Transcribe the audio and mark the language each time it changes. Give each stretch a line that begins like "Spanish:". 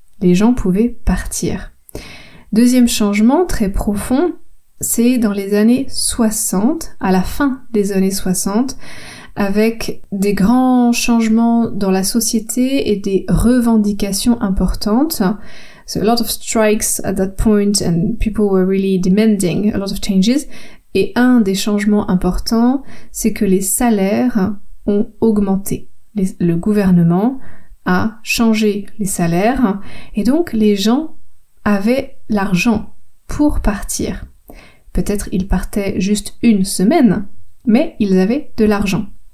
French: Les gens pouvaient partir. Deuxième changement très profond, c'est dans les années 60, à la fin des années 60, avec des grands changements dans la société et des revendications importantes.
English: So a lot of strikes at that point and people were really demanding a lot of changes.
French: Et un des changements importants, c'est que les salaires ont augmenté. Le gouvernement a changé les salaires et donc les gens avaient l'argent pour partir. Peut-être ils partaient juste une semaine, mais ils avaient de l'argent.